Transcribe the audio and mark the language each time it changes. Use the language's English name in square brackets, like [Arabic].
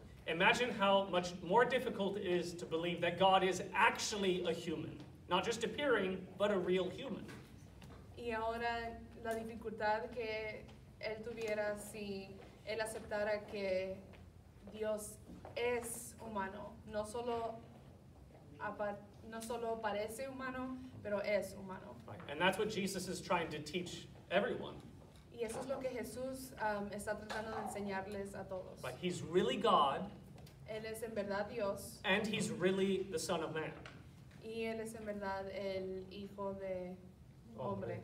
[English] Imagine how much more difficult it is to believe that God is actually a human, not just appearing, but a real human. [Spanish] Y ahora la dificultad que él tuviera si él aceptara que Dios es humano, no solo parece humano, pero es humano. [English] Right. And that's what Jesus is trying to teach everyone. [Spanish] Y eso es lo que Jesús está tratando de enseñarles a todos. [English] But he's really God. [Spanish] Él es en verdad Dios. [English] And he's really the Son of Man. [Spanish] Y él es en verdad el hijo de hombre.